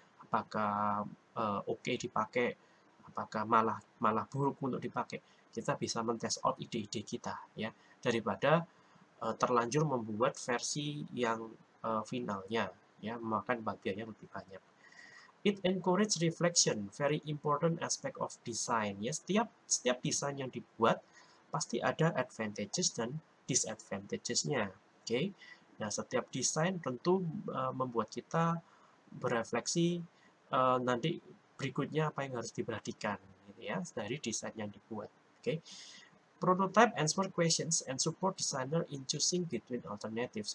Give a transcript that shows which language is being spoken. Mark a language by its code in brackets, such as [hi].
[id] Apakah oke dipakai? Apakah malah malah buruk untuk dipakai? Kita bisa mentes out ide-ide kita ya daripada terlanjur membuat versi yang finalnya, ya, makan bagiannya lebih banyak. [en] It encourage reflection, very important aspect of design. [id] Ya, setiap setiap desain yang dibuat pasti ada advantages dan disadvantages-nya. Okay? Nah, setiap desain tentu membuat kita berefleksi nanti berikutnya apa yang harus diperhatikan, gitu ya, dari desain yang dibuat. [en] Okay? Prototype answer questions and support designer in choosing between alternatives.